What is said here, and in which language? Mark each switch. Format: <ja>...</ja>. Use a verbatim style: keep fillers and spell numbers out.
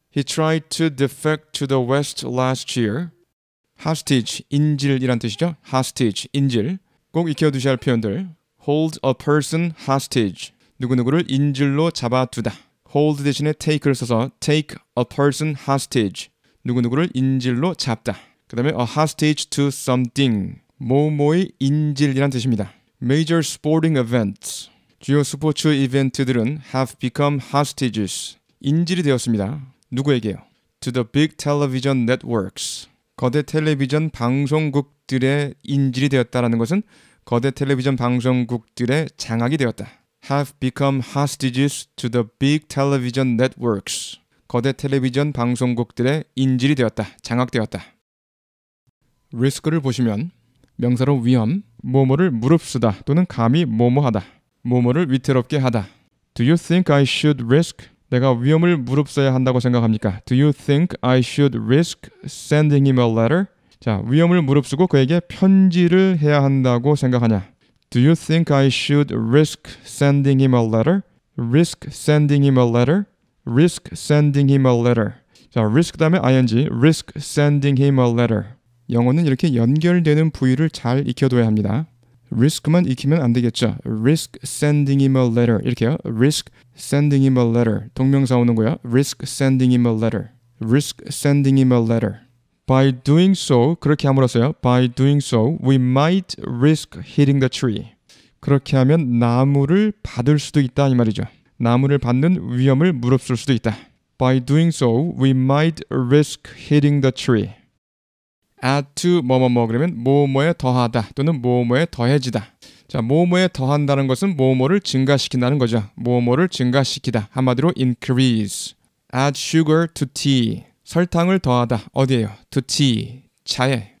<en>He tried to defect to the West last year.</en> <ko>Hostage, 인질이란 뜻이죠. Hostage, 인질. 꼭 익혀두셔야 할 표현들.</ko> <en>Hold a person hostage.</en> <ko>누구누구를 인질로 잡아두다.</ko> <en>Hold 대신에 take를 써서 take a person hostage.</en> <ko>누구누구를 인질로 잡다.</ko> <en>그 다음에 a hostage to something.</en> <ko>뭐뭐의 인질이란 뜻입니다.</ko> <en>Major sporting events.</en> <ko>주요 스포츠 이벤트들은</ko> <en>have become hostages.</en> <ko>인질이 되었습니다. 누구에게요?</ko> <en>To the big television networks.</en> <ko>거대 텔레비전 방송국들의 인질이 되었다라는 것은 거대 텔레비전 방송국들의 장악이 되었다.</ko> <en>Have become hostages to the big television networks.</en> <ko>거대 텔레비전 방송국들의 인질이 되었다. 장악되었다. 리스크를 보시면 명사로 위험, 뭐뭐를 무릅쓰다 또는 감히 뭐뭐하다. 뭐뭐를 위태롭게 하다.</ko> <en>Do you think I should risk?</en> <ko>내가 위험을 무릅써야 한다고 생각합니까?</ko> <en>Do you think I should risk sending him a letter?</en> <ko>자, 위험을 무릅쓰고 그에게 편지를 해야 한다고 생각하냐?</ko> <en>Do you think I should risk sending him a letter? Risk sending him a letter? Risk sending him a letter. 자, risk 다음에 ing, risk sending him a letter.</en> <ko>영어는 이렇게 연결되는 부위를 잘 익혀둬야 합니다.</ko> <en>risk만 익히면 안 되겠죠. risk sending him a letter</en> <ko>이렇게요.</ko> <en>risk sending him a letter</en> <ko>동명사 오는 거야.</ko> <en>risk sending him a letter risk sending him a letter. By doing so,</en> <ko>그렇게 함으로써요.</ko> <en>By doing so, we might risk hitting the tree.</en> <ko>그렇게 하면 나무를 받을 수도 있다 이 말이죠. 나무를 받는 위험을 무릅쓸 수도 있다.</ko> <en>By doing so, we might risk hitting the tree.</en> <ko>add to 뭐뭐뭐 그러면 뭐뭐에 더하다 또는 뭐뭐에 더해지다. 자, 뭐뭐에 더한다는 것은 뭐뭐를 증가시킨다는 거죠. 뭐뭐를 증가시키다. 한마디로 increase.</ko> <en>add sugar to tea.</en> <ko>설탕을 더하다. 어디에요?</ko> <en>to tea.</en> <ko>차에.</ko>